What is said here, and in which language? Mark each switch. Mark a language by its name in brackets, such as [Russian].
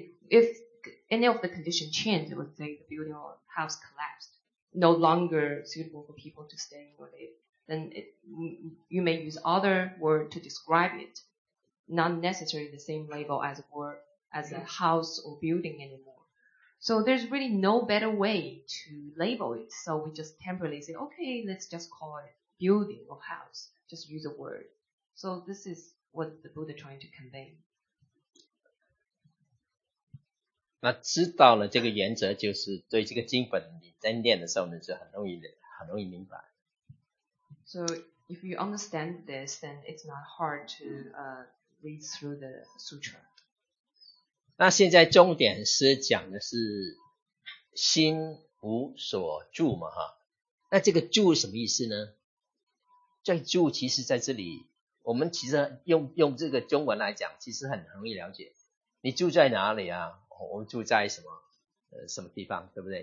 [English] If any of the condition changed, it would say the building or house collapsed, no longer suitable for people to stay or live, then you may use other word to describe it, not necessarily the same label as a word, as a house or building anymore. So there's really no better way to label it. So we just temporarily say, okay, let's just call it building or house. Just use a word. So this is what the Buddha trying to convey. [Chinese] 那知道了这个原则，就是对这个经本你在念的时候呢，就很容易明白。 So if you understand this, then it's not hard to read through the sutra. 那现在重点是讲的是心无所住嘛，哈。那这个住什么意思呢？在住其实在这里，我们其实用这个中文来讲，其实很容易了解。你住在哪里啊？我们住在什么什么地方，对不对？